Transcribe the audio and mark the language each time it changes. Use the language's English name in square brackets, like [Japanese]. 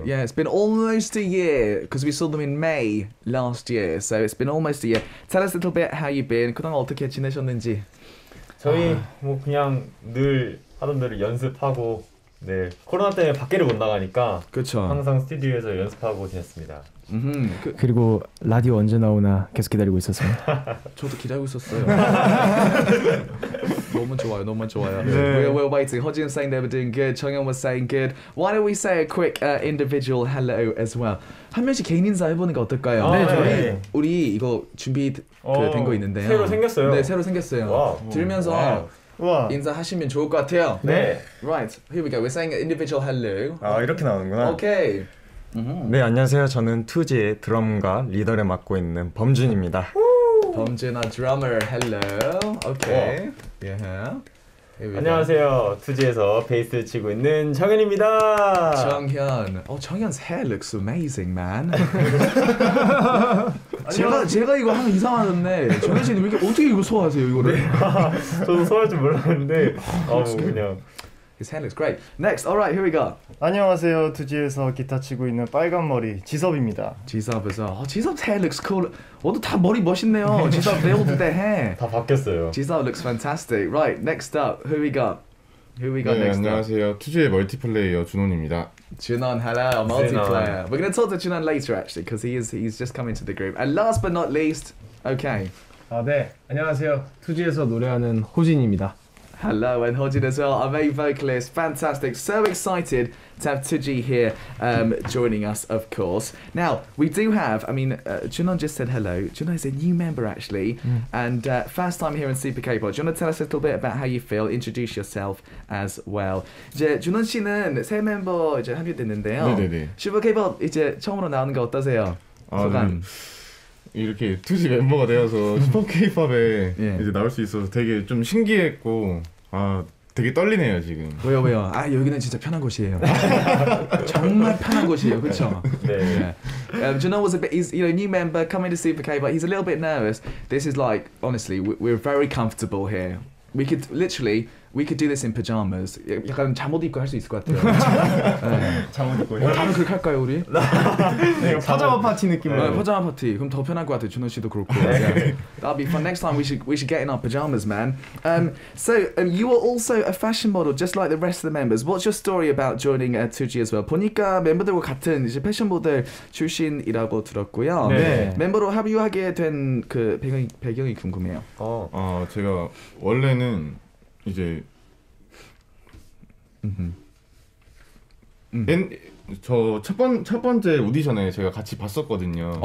[English] Yeah, it's been almost a year because we saw them in May last year. So it's been almost a year. Tell us a little bit how you've been. [Korean] 그동안 어떻게 지내셨는지. 저희 뭐 그냥 늘 하던 대로 연습하고 네. 코로나 때문에 밖에를 못 나가니까 그렇죠. 항상 스튜디오에서 연습하고 지냈습니다. 그리고 라디오 언제 나오나 계속 기다리고 있었어요. 저도 기다리고 있었어요. 너무 좋아요. 너무 좋아요. 네. [English] We're waiting. Hojin saying they were doing good. Chungyeong was saying good. Why don't we say a quick individual hello as well? [Korean] 한 명씩 개인 인사 해보는 게 어떨까요? 아, 네, 저희 네. 우리 이거 준비된 거 있는데요. 새로 생겼어요. 네, 새로 생겼어요. 와, 들으면서 와. 인사하시면 좋을 것 같아요. 네. [English] Right. Here we go. We're saying individual hello. [Korean] 아, 이렇게 나오는구나. 오케이. Mm-hmm. 네, 안녕하세요. 저는 2G의 드럼과 리더를 맡고 있는 범준입니다. [English] 범준아, drummer. Hello. Okay. Yeah. [Korean] Yeah. 안녕하세요. 2G에서 베이스를 치고 있는 정현입니다. [English] 정현. Oh, 정현's hair looks amazing, man. [Korean] 제가 이거 하면 이상하는데 정현 씨는 이렇게 어떻게 이거 소화하세요, 이거를? 저도 소화할 줄 몰랐는데. 아, 그냥. [English] His hair looks great. Next, all right, here we go. [Korean] 안녕하세요, 2G에서 기타 치고 있는 빨간 머리 지섭입니다. 지섭에서, 어, 지섭 [English] hair looks cool. [Korean] 모두 다 머리 멋있네요. [English] 지섭, they all did their hair. [Korean] 다 바뀌었어요. [English] 지섭 looks fantastic. Right, next up, who we got? Who we got [Korean] 네, [English] next? [Korean] 안녕하세요, 2G의 멀티플레이어 준원입니다. [English] 준원, hello, multiplayer. Junon. We're gonna talk to 준원 later actually, because he's just coming to the group. And last but not least, okay. 아 네, 안녕하세요, 2G에서 노래하는 호진입니다. Hello, and Hojin as well, our main vocalist. Fantastic. So excited to have 2G here joining us, of course. Now, we do have, I mean, Junon just said hello. Junon is a new member, actually, and first time here in Super K-Pop. Do you want to tell us a little bit about how you feel? Introduce yourself as well. [Korean] 이제 준원 씨는 새 멤버 이제 합류됐는데요. 네네네. 슈퍼 K-Pop 이제 처음으로 나오는 거 어떠세요? 소감. 이렇게 2G 멤버가 되어서 슈퍼 K-POP에 yeah. 이제 나올 수 있어서 되게 좀 신기했고 아 되게 떨리네요 지금. 왜요 왜요? 아 여기는 진짜 편한 곳이에요. 정말 편한 곳이에요, 그렇죠? 네. [English] Junon was a bit, he's, you know, new member coming to Super K-POP, he's a little bit nervous. This is like, honestly, we're very comfortable here. We could literally, we could do this in pajamas. [Korean] 약간 잠옷 입고 할 수 있을 것 같아요. 잠옷 입고. 어, 다음은 그렇게 할까요 우리? 네, 파자마 파티 느낌으로. 네, 파자마 파티. 그럼 더 편할 것 같아요. 준호 씨도 그렇고. [English] That'll be fun. Next time we should get in our pajamas, man. So you are also a fashion model, just like the rest of the members. What's your story about joining 2G as well? [Korean] 보니까 멤버들과 같은 이제 패션 모델 출신이라고 들었고요. 네. 멤버로 합류하게 된 그 배경이 궁금해요. 제가 원래는 이제 저 첫 번째 오디션에 제가 같이 봤었거든요.